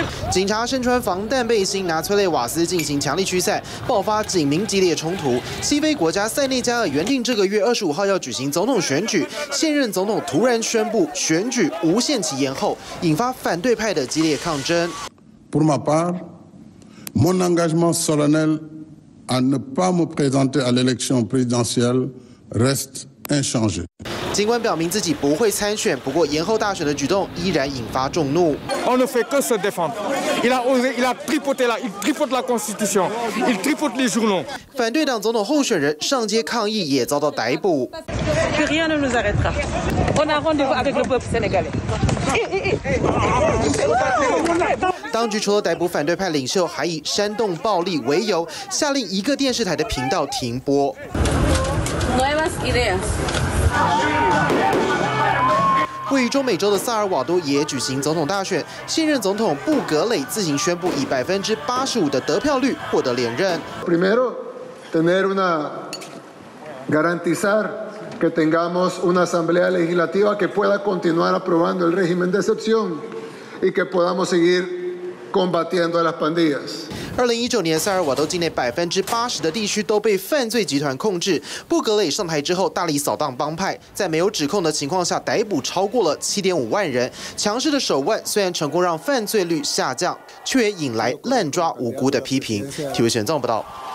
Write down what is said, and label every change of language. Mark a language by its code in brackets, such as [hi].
[zh] 警察身穿防弹背心，拿催泪瓦斯进行强力驱散，爆发警民激烈冲突。西非国家塞内加尔原定这个月25号要举行总统选举，现任总统突然宣布选举无限期延后，引发反对派的激烈抗争。 [fr] Mon engagement solennel à ne pas me présenter à l'élection présidentielle reste inchangé. [zh] 尽管表明自己不会参选，不过延后大选的举动依然引发众怒。 [fr] On ne fait que se défendre. Il a osé, il a tripoté la, il tripote la constitution, il tripote les journaux. [zh] 反对党总统候选人上街抗议，也遭到逮捕。 [fr] Que rien ne nous arrêtera. On a rendez-vous avec le peuple sénégalais. [zh] 当局除了逮捕反对派领袖，还以煽动暴力为由，下令一个电视台的频道停播。位于中美洲的萨尔瓦多也举行总统大选，现任总统布格雷自行宣布以85%的得票率获得连任。 [es] Primero, tener una garantizar que tengamos una asamblea legislativa que pueda continuar aprobando el régimen de excepción y que podamos seguir. [zh] 2019年，塞尔瓦多境内80%的地区都被犯罪集团控制。布格雷上台之后，大力扫荡帮派，在没有指控的情况下逮捕超过了75万人。强势的手腕虽然成功让犯罪率下降，却也引来滥抓无辜的批评。体育选综报道。